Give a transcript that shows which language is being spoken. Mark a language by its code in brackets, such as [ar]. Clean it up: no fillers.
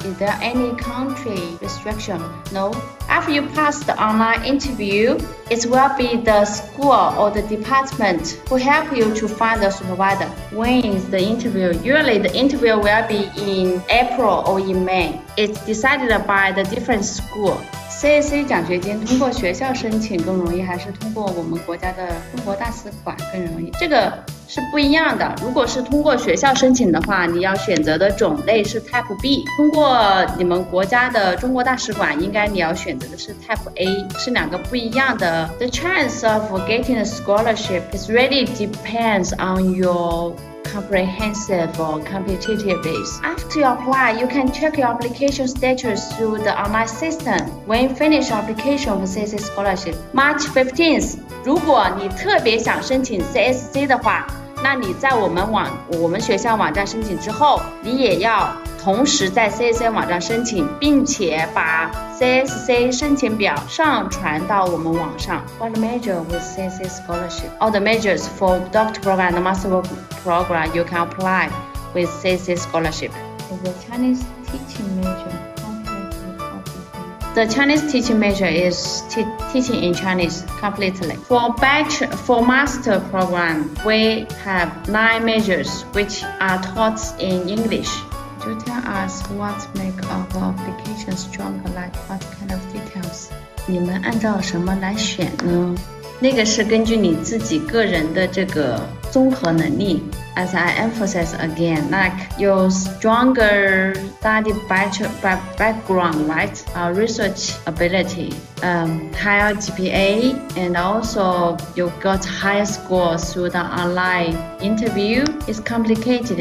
[en] Is there any country restriction? No. After you pass the online interview, it will be the school or the department who help you to find the supervisor. When is the interview? Usually the interview will be in April or in May. It's decided by the different school. [zh] CAC 奖学金通过学校申请更容易还是通过我们国家的中国大使馆更容易？这个是不一样的。如果是通过学校申请的话，你要选择的种类是 Type B， 通过你们国家的中国大使馆应该你要选择的是 Type A， 是两个不一样的。 [en] The chance of getting a scholarship is really depends on yourComprehensive or competitive base. After you apply, you can check your application status through the online system. When you finish application for CSC scholarship, March 15th, [zh] 如果你特别想申请 CSC 的话，那你在我们学校网站申请之后，你也要同时在 CSC 网站申请，并且把 CSC 申请表上传到我们网上。 [en] What major with CSC scholarship? All the majors for doctor program and master program you can apply with CSC scholarship. The Chinese teaching major is teaching in Chinese completely. For master program, we have 9 majors which are taught in English. Could you tell us what makes our application stronger, like what kind of details? [zh] 你们按照什么来选呢？那个是根据你自己个人的这个综合能力。 [en] As I emphasize again, like your stronger study background, right? Research ability, higher GPA, and also you got higher scores through the online interview. It's complicated.